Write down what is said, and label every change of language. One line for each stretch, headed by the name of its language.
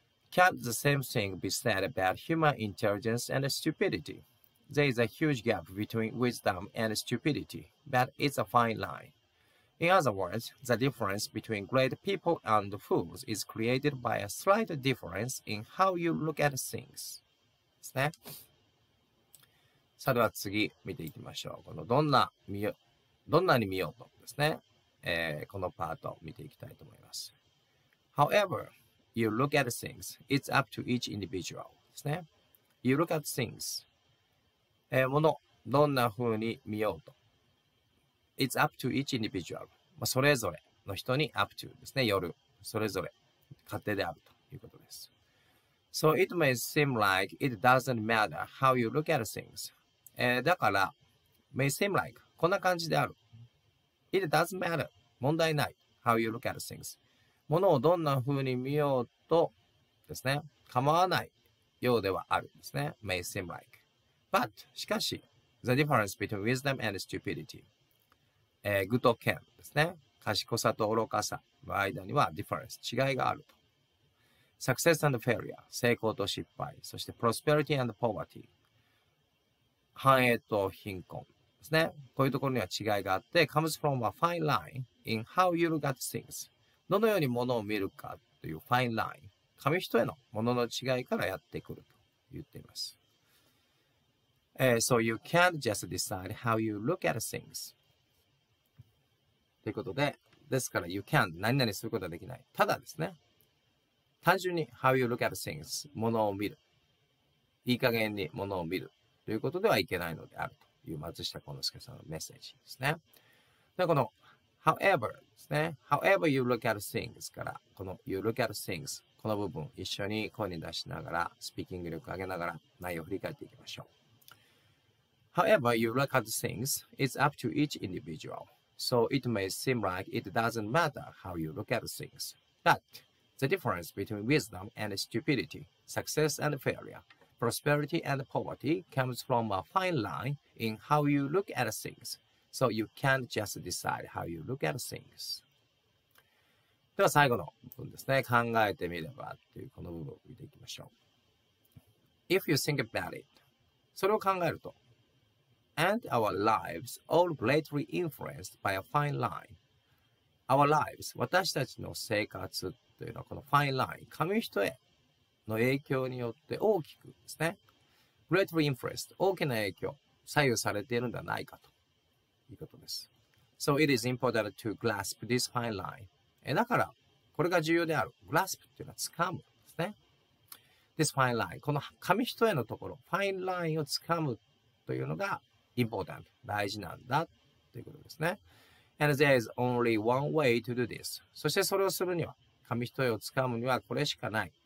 English: Can't the same thing be said about human intelligence and stupidity? There is a huge gap between wisdom and stupidity, but it's a fine line. In other words, the difference between great people and fools is created by a slight difference in how you look at things.
Japanese: ですね。さあでは次見ていきましょう。このどんなに見ようとですね。このパートを見ていきたいと思います。
English: However, you look at things. It's up to each individual.
Japanese: ですね。
English: You look at things.
Japanese: もの、どんな風に見ようと。
English: It's up to each individual.
Japanese: まあ、それぞれの人に
English: up to
Japanese: ですね。夜、それぞれ勝手であるということです。
English: So it may seem like it doesn't matter how you look at things.
Japanese: だから、
English: may seem like
Japanese: こんな感じである。
English: It doesn't matter.
Japanese: 問題ない。
English: How you look at things.
Japanese: ものをどんな風に見ようとですね。構わないようではあるんですね。
English: May seem like. But,
Japanese: しかし、
English: the difference between wisdom and stupidity. Good or can
Japanese: ですね。賢さと愚かさの間には
English: difference、
Japanese: 違いがあると。
English: Success and failure.
Japanese: 成功と失敗。そして
English: prosperity and poverty.
Japanese: 繁栄と貧困。ですね。こういうところには違いがあって、
English: comes from a fine line in how you look at things.
Japanese: どのようにものを見るかという
English: fine line。
Japanese: 紙一重のものの違いからやってくると言っています。
English: So you can't just decide how you look at things.
Japanese: ということで、ですから
English: you can't
Japanese: 何々することはできない。ただですね、単純に
English: how you look at things、
Japanese: ものを見る。いい加減にものを見るということではいけないのであると。いう松下幸之助さんのメッセージですね。で、この
English: however
Japanese: ですね。
English: however you look at things
Japanese: から、この
English: you look at things
Japanese: この部分一緒に声に出しながら、スピーキング力を上げながら内容を振り返っていきましょう。
English: however you look at things is up to each individual. So it may seem like it doesn't matter how you look at things. But the difference between wisdom and stupidity, success and failure,Prosperity and poverty comes from a fine line in how you look at things. So you can't just decide how you look at things.
Japanese: では最後の部分ですね。考えてみればというこの部分を見ていきましょう。
English: If you think about it,
Japanese: それを考えると、
English: And our lives all greatly influenced by a fine line. Our lives,
Japanese: 私たちの生活というのはこの
English: fine line,
Japanese: 紙一重。の影響によって大きくですね。
English: Greatly influenced
Japanese: 大きな影響左右されているんではないかということです。
English: So it is important to grasp this fine line.
Japanese: だからこれが重要である。
English: Grasp
Japanese: というのは掴むですね。
English: This fine line
Japanese: この紙一重のところ
English: fine line
Japanese: を掴むというのが
English: important
Japanese: 大事なんだということですね。
English: And there is only one way to do this.
Japanese: そしてそれをするには紙一重を掴むにはこれしかない。